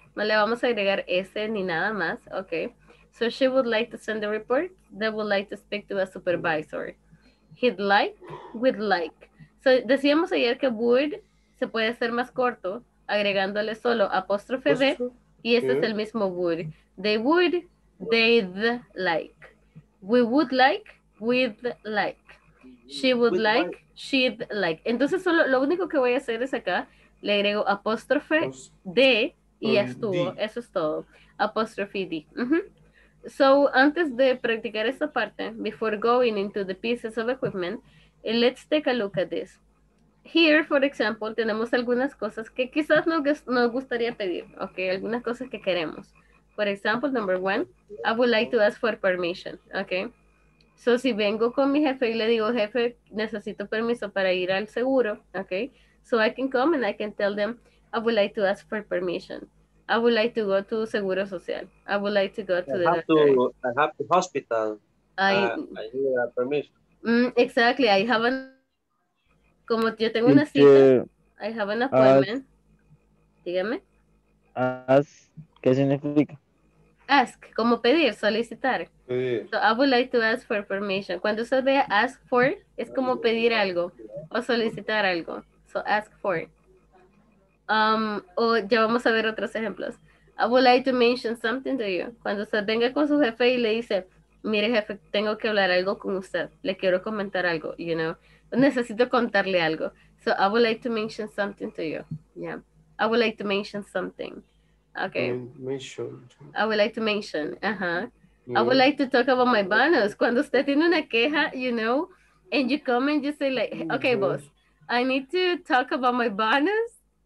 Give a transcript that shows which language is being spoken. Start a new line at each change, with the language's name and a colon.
Spanish: No le vamos a agregar ese ni nada más.
English: Okay. So she would like to send the report. They would like to speak to a supervisor. He'd like, would like.
Spanish: So decíamos ayer que would se puede hacer más corto agregándole solo apóstrofe de y este es el mismo would.
English: They would, they'd like. We would like, we'd like. She would like, she'd like.
Spanish: Entonces solo lo único que voy a hacer es acá, le agrego apóstrofe de y ya estuvo. Eso es todo. Apóstrofe de.
English: So,
Spanish: antes de practicar esta parte,
English: before going into the pieces of equipment, let's take a look at this. Here, for example,
Spanish: tenemos algunas cosas que quizás nos gustaría pedir, okay? Algunas cosas que queremos.
English: For example, number one, I would like to ask for permission, okay?
Spanish: So, si vengo con mi jefe y le digo, jefe, necesito permiso para ir al seguro, okay?
English: So, I can come and I can tell them, I would like to ask for permission. I would like to go to Seguro Social. I would like to go to the doctor. I have to hospital. I need a permission. Exactly. I have an...
Spanish: Como yo tengo una cita.
English: I have an appointment.
Spanish: Dígame. Ask. ¿Qué significa? Ask. Como pedir, solicitar. Pedir.
English: So I would like to ask for permission.
Spanish: Cuando se ve ask for, es como pedir algo o solicitar algo.
English: So ask for.
Spanish: O ya vamos a ver otros ejemplos.
English: I would like to mention something to you.
Spanish: Cuando usted venga con su jefe y le dice, mire jefe, tengo que hablar algo con usted. Le quiero comentar algo,
English: you know.
Spanish: Necesito contarle algo.
English: So I would like to mention something to you. Yeah. I would like to mention something. Okay. Mention. I would like to mention. Uh-huh. Yeah. I would like to talk about my bonus.
Spanish: Cuando usted tiene una queja,
English: you know, and you come and you say like, okay, boss, I need to talk about my bonus.